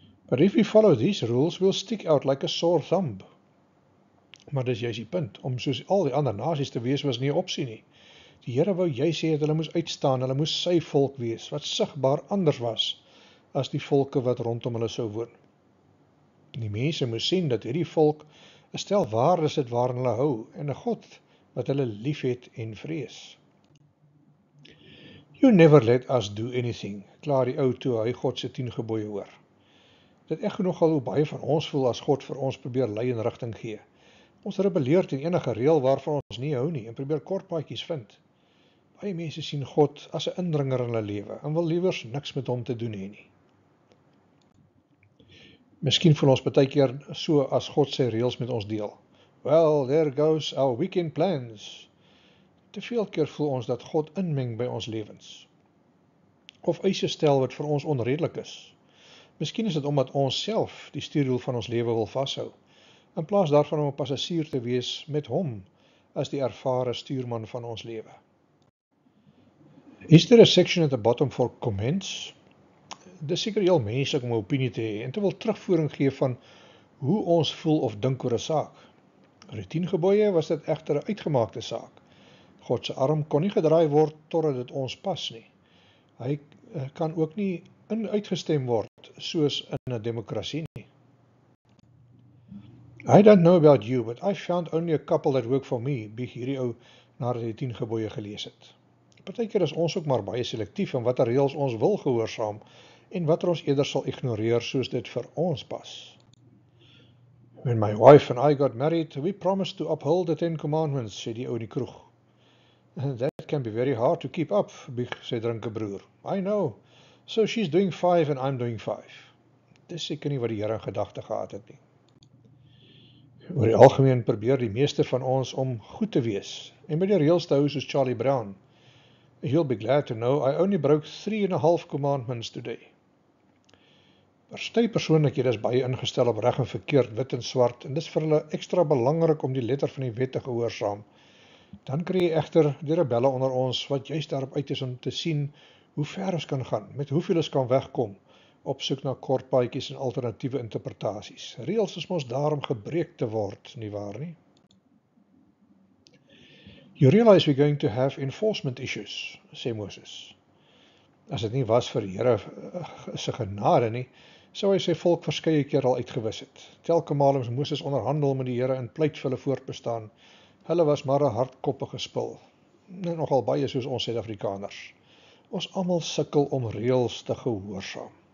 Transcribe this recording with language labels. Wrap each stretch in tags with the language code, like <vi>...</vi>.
<en>But if you follow these rules, we'll stick out like a sore thumb.</en> <af>Maar dis juist die punt, om soos al die ander nasies te wees was nie 'n opsie nie. Die Here wou juist sê dat hulle moes uitstaan, hulle moes sy volk wees, wat sigbaar anders was as die volke wat rondom hulle sou woon. Die mense moes sien dat hierdie volk een stel waardes het waarin hulle hou, en een God wat hulle lief het en vrees.</af> <en>You never let us do anything,</en> <af>klaar die ou toe hy God se 10 gebooie hoor. Dit echt genoeg al hoe baie van ons voel as God vir ons probeer lei en rigting gee. Ons rebelleert in enige reël waarvan ons nie hou nie en probeer kortpaadjies vind. Baie mense sien God as 'n indringer in hulle lewe en wil liewers niks met hom te doen hê nie. Miskien voel ons baie keer so as God sy reëls met ons deel.</af> <en>Well, there goes our weekend plans.</en> <af>Te veel keer voel ons dat God inmeng by ons lewens. Of eise stel wat vir ons onredelik is. Miskien is dit omdat ons self die stuurwiel van ons lewe wil vashou, in plaas daarvan om 'n passasier te wees met hom as die ervare stuurman van ons lewe.</af> <en>Is there a section at the bottom for comments?</en> <af>Dis seker heel menslik om 'n opinie te hê en te wil terugvoering gee van hoe ons voel of dink oor 'n saak. Oor die 10 gebooie was dit egter 'n uitgemaakte saak. God se arm kon nie gedraai word totdat dit ons pas nie. Hy kan ook nie uitgestem word soos in 'n demokrasie nie.</af> <en>I don't know about you, but I found only a couple that work for me,</en> <af>bieg hierdie ou nadat hy 10 gebooie gelees het. Partykeer is ons ook maar baie selektief in watter reëls ons wil gehoorsaam en watter ons eerder sal ignoreer soos dit vir ons pas.</af> <en>When my wife and I got married, we promised to uphold the 10 commandments,</en> <af>sê die ou in die kroeg.</af> <en>And that can be very hard to keep up,</en> <af>bieg sy drinke broer.</af> <en>I know, so she's doing 5 and I'm doing 5.</en> <af>Dis seker nie wat die Here in gedagte gehad het nie. Oor die algemeen probeer die meeste van ons om goed te wees, en by die reëls te hou soos Charlie Brown.</af> <en>You'll be glad to know, I only broke 3.5 commandments today.</en> <af>Party persoonlikhede is baie ingestel op reg en verkeerd, wit en swart, en dis vir hulle ekstra belangrik om die letter van die wet te gehoorsaam. Dan kry jy egter die rebelle onder ons, wat juist daarop uit is om te sien hoe ver ons kan gaan, met hoeveel ons kan wegkom, op soek na kortpaadjies en alternatiewe interpretasies. Reëls is mos daarom gebreek te word, nie waar nie?</af> <en>You realize we're going to have enforcement issues,</en> <af>sê Moses. As dit nie was vir die Here se genade nie, sou hy sy volk verskeie keer al uitgewis het. Telke male moes Moses onderhandel met die Here en pleit vir hulle voortbestaan. Hulle was maar 'n hardkoppige spul. Nou nogal baie soos ons Suid-Afrikaners. Ons almal sukkel om reëls te gehoorsaam.</af>